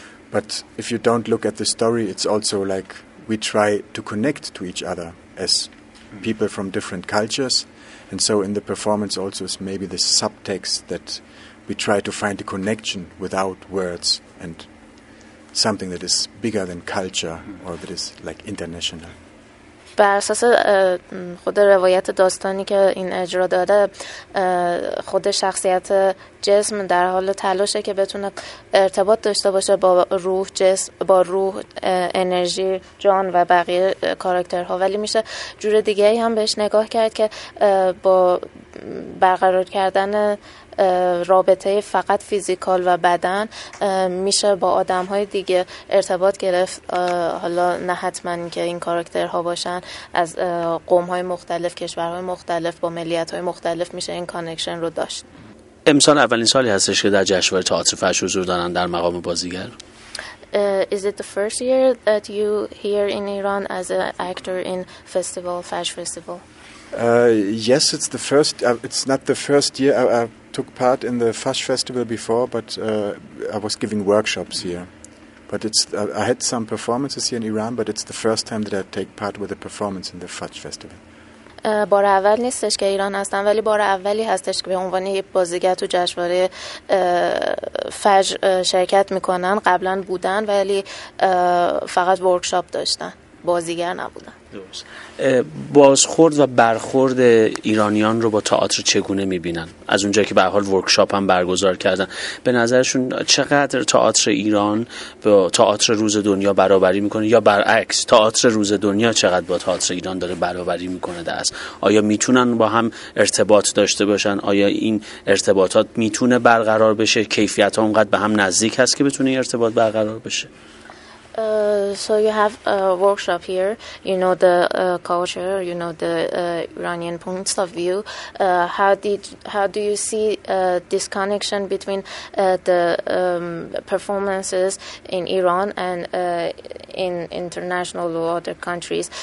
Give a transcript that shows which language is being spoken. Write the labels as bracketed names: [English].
[English] But if you don't look at the story, it's also like we try to connect to each other as people from different cultures. And so in the performance also is maybe the subtext that we try to find a connection without words and something that is bigger than culture or that is like international. [Persian] بر اساس خود روایت داستانی که این اجرا داره، خود شخصیت جسم در حال تلاشه که بتونه ارتباط داشته باشه با روح، جسم با روح، انرژی، جان و بقیه کاراکترها، ولی میشه جور دیگه‌ای هم بهش نگاه کرد که با برقرار کردن رابطه فقط فیزیکال و بدن میشه با آدم های دیگه ارتباط گرفت، حالا نه حتما که این کاراکترها باشن، از قوم های مختلف، کشورهای مختلف، با ملیت های مختلف میشه این کانکشن رو داشت. امسال اولین سالی هستش که در جشنواره تئاتر فش حضور دارن در مقام بازیگر. [English] Is it the first year that you here in Iran as an actor in festival, Fash festival? Yes, it's the first. It's not the first year. I took part in the Fash festival before, but I was giving workshops here. But it's I had some performances here in Iran, but it's the first time that I take part with a performance in the Fash festival. [Persian] بار اول نیستش که ایران هستم، ولی بار اولی هستش که به عنوان یک بازیگر تو جشنواره فجر شرکت میکنن. قبلا بودن ولی فقط ورکشاپ داشتن، بازیگر نبودن. بازخورد و برخورد ایرانیان رو با تئاتر چگونه میبینن؟ از اونجایی که به هر حال ورکشاپ هم برگزار کردن، به نظرشون چقدر تئاتر ایران با تئاتر روز دنیا برابری میکنه، یا برعکس تئاتر روز دنیا چقدر با تئاتر ایران داره برابری میکنه دست؟ آیا میتونن با هم ارتباط داشته باشن؟ آیا این ارتباطات میتونه برقرار بشه؟ کیفیت ها اونقدر به هم نزدیک هست که بتونه ارتباط برقرار بشه؟ [English] So you have a workshop here, you know the culture, you know the Iranian points of view. How do you see this connection between the performances in Iran and in international or other countries?